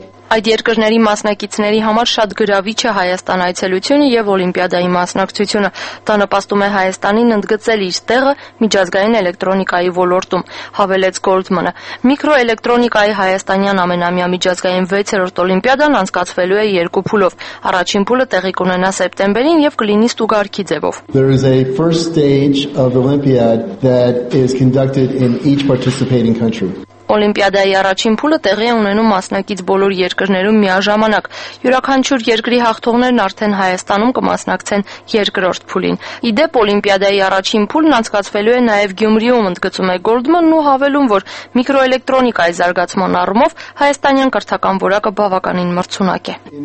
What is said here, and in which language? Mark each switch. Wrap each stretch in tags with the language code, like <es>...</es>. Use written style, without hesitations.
<hy>Այդ երկրների մասնակիցների համար շատ գրավիչ է Հայաստան այցելությունը և օլիմպիադայի մասնակցությունը։ Դա նպաստում է Հայաստանին ընդգծել իր տեղը միջազգային էլեկտրոնիկայի ոլորտում, հավելեց Գոլդմանը։ Միկրոէլեկտրոնիկայի Հայաստանյան ամենամյա միջազգային 6-րդ օլիմպիադան անցկացվելու է երկու փուլով։ Առաջին փուլը տեղի կունենա սեպտեմբերին և կլինի ստուգարքի ձևով։</hy> <en>There is a first stage of Olympiad that is conducted in each participating country.</en> <hy>Օլիմպիադայի առաջին փուլը տեղի է ունենում մասնակից բոլոր երկրներում միաժամանակ։ Յուրաքանչյուր երկրի հաղթողներն արդեն Հայաստանում կմասնակցեն երկրորդ փուլին։ Իդեպ օլիմպիադայի առաջին փուլն անցկացվելու է նաև Գյումրիում, ընդգծում է Գոլդմանն ու հավելում, որ միկրոէլեկտրոնիկայի զարգացման առումով հայաստանյան կրթական որակը բավականին մրցունակ է։</hy>